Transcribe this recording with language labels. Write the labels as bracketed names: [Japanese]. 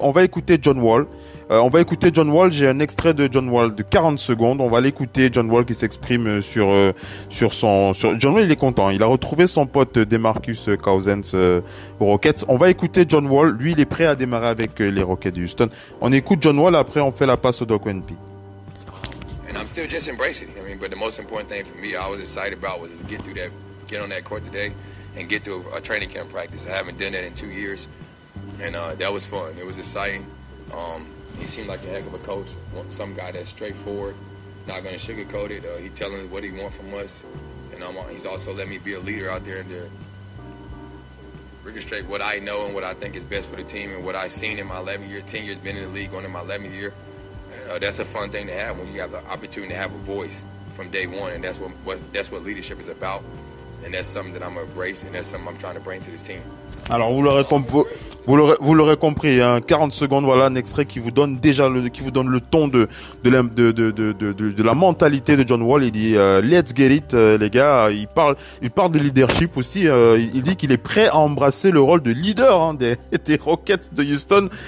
[French] On va écouter John Wall. J'ai un extrait de John Wall de 40 secondes. On va l'écouter, John Wall qui s'exprime sur John Wall, il est content. Il a retrouvé son pote DeMarcus Cousins aux Rockets. On va écouter John Wall. Lui, il est prêt à démarrer avec les Rockets de Houston. On écoute John Wall, après on fait la passe au Doc NP. [English] And I'm still just embracing it. I mean, but the most important thing for me, I was excited about, was to get on that court today and get to a training camp practice. I haven't done that in 2 years, and that was fun. It was exciting. He seemed like a heck of a coach, some guy that's straightforward, not going to sugarcoat it. He's telling us what he wants from us, and he's also let me be a leader out there and to orchestrate what I know and what I think is best for the team and what I've seen in my 10 years been in the league, going in my 11th year. That's a fun thing to have when you have the opportunity to have a voice from day one, and that's what leadership is about, and that's something that I'm embracing, and that's something I'm trying to bring to this team. [French] Alors vous l'aurez compris, hein, 40 secondes, voilà un extrait qui vous donne déjà le ton de la mentalité de John Wall. Il dit [English] let's get it, [French] les gars. Il parle de leadership aussi. Il dit qu'il est prêt à embrasser le rôle de leader, hein, des Rockets de Houston.